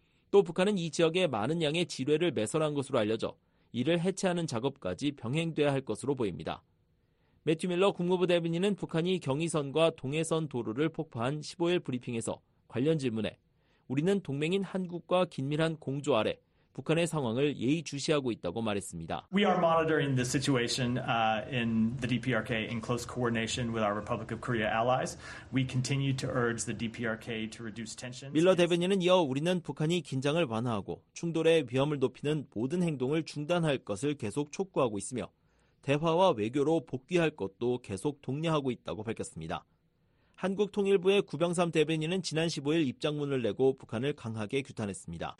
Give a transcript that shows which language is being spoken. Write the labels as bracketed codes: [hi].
[ko] 또 북한은 이 지역에 많은 양의 지뢰를 매설한 것으로 알려져 이를 해체하는 작업까지 병행돼야 할 것으로 보입니다. 매튜 밀러 국무부 대변인은 북한이 경의선과 동해선 도로를 폭파한 15일 브리핑에서 관련 질문에 우리는 동맹인 한국과 긴밀한 공조 아래 북한의 상황을 예의주시하고 있다고 말했습니다. [en] We are monitoring the situation in the DPRK in close coordination with our Republic of Korea allies. We continue to urge the DPRK to reduce tensions. [ko] 밀러 대변인은 이어 우리는 북한이 긴장을 완화하고 충돌의 위험을 높이는 모든 행동을 중단할 것을 계속 촉구하고 있으며 대화와 외교로 복귀할 것도 계속 독려하고 있다고 밝혔습니다. 한국통일부의 구병삼 대변인은 지난 15일 입장문을 내고 북한을 강하게 규탄했습니다.